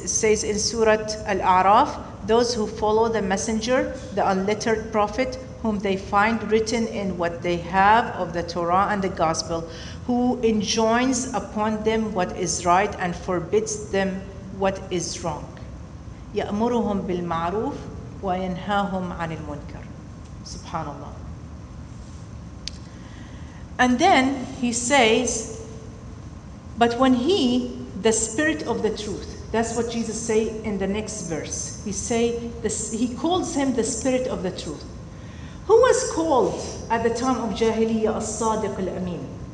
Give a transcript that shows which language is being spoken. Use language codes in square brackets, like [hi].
[en] It says in Surah Al-A'raf, those who follow the messenger, the unlettered prophet, whom they find written in what they have of the Torah and the gospel, who enjoins upon them what is right and forbids them what is wrong. [ar] يَأْمُرُهُمْ بِالْمَعْرُوفِ وَيَنْهَاهُمْ عَنِ الْمُنْكَرِ Subhanallah. [en] And then he says, but when he, the spirit of the truth, that's what Jesus say in the next verse. He say, he calls him the spirit of the truth. Who was called at the time of Jahiliyyah as-Sadiq al-Amin?